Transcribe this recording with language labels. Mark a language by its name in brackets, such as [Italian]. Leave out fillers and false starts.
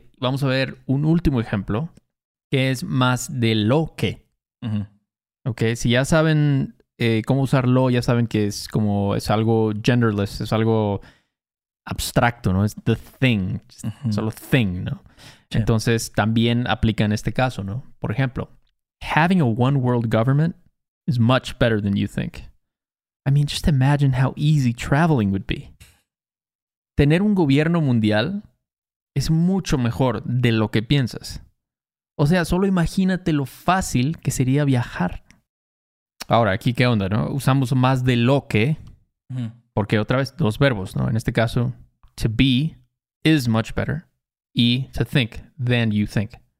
[Spanish] Vamos a ver un último ejemplo. Que es más de lo que. Ok, si ya saben cómo usar lo, ya saben que es como... Es algo genderless, es algo abstracto, ¿no? Es [English] the thing. [Spanish] Solo thing, ¿no? Yeah. Entonces también aplica en este caso, ¿no? Por ejemplo... [English] Having a one-world government is much better than you think. I mean, just imagine how easy traveling would be. [Spanish] Tener un gobierno mundial es mucho mejor de lo que piensas. O sea, solo imagínate lo fácil que sería viajar. Ahora, aquí qué onda, ¿no? Usamos más de lo que, porque otra vez, dos verbos, ¿no? En este caso, [English] to be is much better [Spanish] y [English] to think than you think.